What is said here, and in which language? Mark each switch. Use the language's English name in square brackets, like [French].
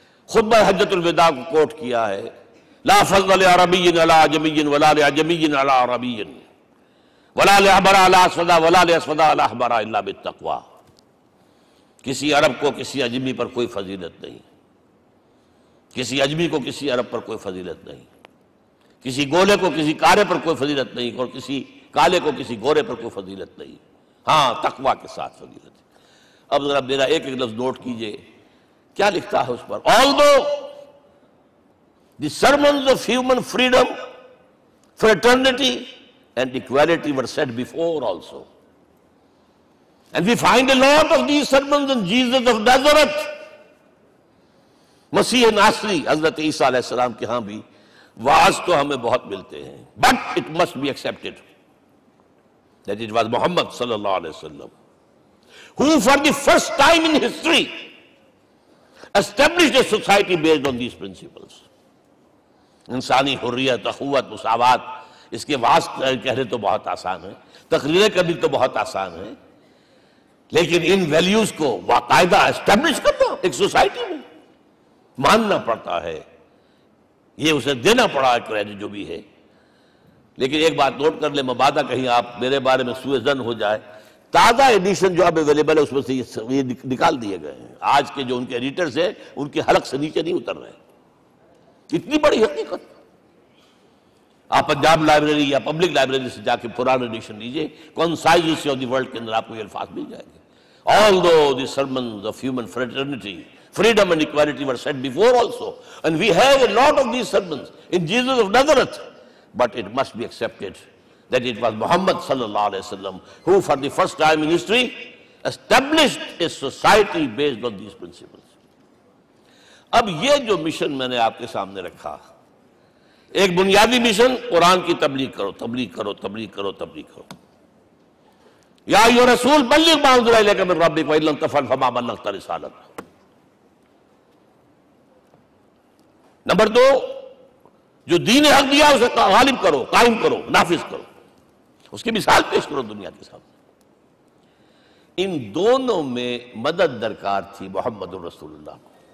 [Urdu] خود میں حجت الوداع کو کوٹ کیا ہے، [Arabic] لا فضل لعربی علی عجمی ولا لعجمی علی عربی ولا لعبر علی اسودا ولا لاسودا علی احمر الا بالتقوی، [Urdu] کسی عرب کو کسی عجمی پر کوئی فضیلت نہیں، کسی عجمی کو کسی عرب پر کوئی فضیلت نہیں، کسی گولے کو کسی کالے پر کوئی فضیلت نہیں اور کسی کالے کو کسی گورے پر کوئی فضیلت نہیں، ہاں تقوی کے ساتھ فضیلت ہے. اب ذرا میرا ایک ایک لفظ نوٹ کیجئے کیا لکھتا ہے اس پر. [English] Although the sermons of human freedom, fraternity and equality were said before also, and we find a lot of these sermons in Jesus of Nazareth, [Urdu] مسیح ناصری حضرت عیسیٰ علیہ السلام کے ہاں بھی واعظ تو ہمیں بہت ملتے ہیں. [English] But it must be accepted that it was Muhammad صلی اللہ علیہ وسلم who for the first time in history established a society based on these principles. [Urdu] انسانی حریت، اخوت، مساوات، اس کے واعظ کہنے تو بہت آسان ہیں، تقریریں کرنی تو بہت آسان ہیں، لیکن ان ویلیوز کو باقاعدہ اسٹیبلش کرنا ایک سوسائٹی میں ماننا پڑتا ہے، یہ اسے دینا پڑا ہے کریڈٹ جو بھی ہے. لیکن ایک بات نوٹ کر لیں، مبادہ کہیں آپ میرے بارے میں سوئے زن ہو جائے، تازہ ایڈیشن جو اب اویلیبل ہے اس میں سے یہ نکال دیے گئے ہیں، آج کے جو ان کے ایڈیٹرز ہیں ان کی حلق سے نیچے نہیں اتر رہے. اتنی بڑی حقیقت. آپ پنجاب لائبریری یا پبلک لائبریری سے جا کے پرانا ایڈیشن لیجیے، کنسائز آف دی ورلڈ کے اندر آپ کو یہ الفاظ مل جائیں گے. [English] Although the sermons of human fraternity, freedom and equality were said before also, and we have a lot of these sermons in Jesus of Nazareth, but it must be accepted that it was Muhammad sallallahu alaihi wasallam who for the first time in history established a society based on these principles. [Urdu] اب یہ جو mission میں نے آپ کے سامنے رکھا، ایک بنیادی مشن، قرآن کی تبلیغ کرو، تبلیغ کرو، تبلیغ کرو، تبلیغ کرو. [Arabic] یا ایو رسول بلغ ما انزل الیک من ربک وان لم تفعل فما بلغت رسالتہ. [Urdu] نمبر دو، جو دین حق دیا اسے غالب کرو، قائم کرو، نافذ کرو، اس کی مثال پیش کرو دنیا کے سامنے. ان دونوں میں مدد درکار تھی محمد الرسول اللہ کو.